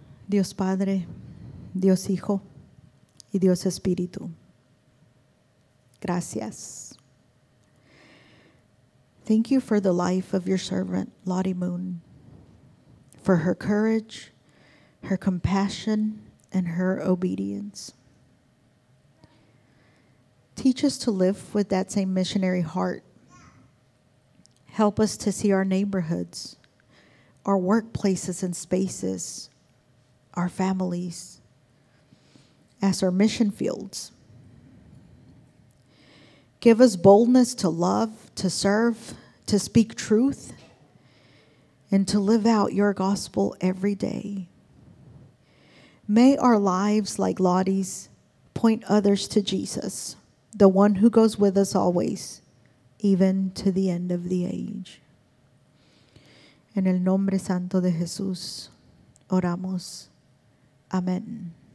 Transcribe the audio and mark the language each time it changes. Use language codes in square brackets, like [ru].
[es] Dios Padre, Dios Hijo, y Dios Espíritu. Gracias. [en] Thank you for the life of your servant, Lottie Moon, for her courage, her compassion, and her obedience. Teach us to live with that same missionary heart. Help us to see our neighborhoods, our workplaces and spaces, our families, as our mission fields. Give us boldness to love, to serve, to speak truth, and to live out your gospel every day. May our lives, like Lottie's, point others to Jesus, the one who goes with us always, even to the end of the age. [es] En el nombre santo de Jesús, oramos. Amen.